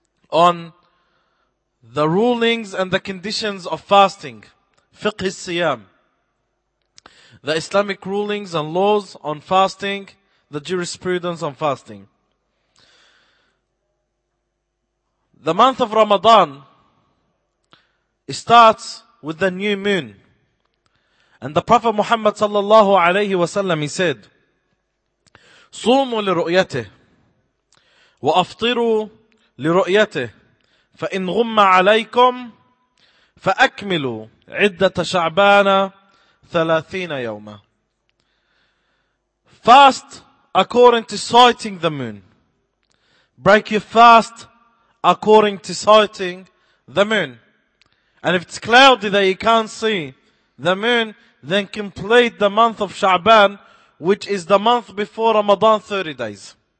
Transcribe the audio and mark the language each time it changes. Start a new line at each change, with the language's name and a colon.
English: on the rulings and the conditions of fasting, fiqh al-siyam, the Islamic rulings and laws on fasting, the jurisprudence on fasting. The month of Ramadan, it starts with the new moon. And the Prophet Muhammad sallallahu alayhi wa sallam, he said,
Arabic: صوموا لرؤيته وأفطروا لرؤيته فإن غم عليكم فأكملوا عدة شعبان 30 يوما.
English: Fast according to sighting the moon. Break your fast according to sighting the moon. And if it's cloudy that you can't see the moon, then complete the month of Sha'ban, which is the month before Ramadan, 30 days.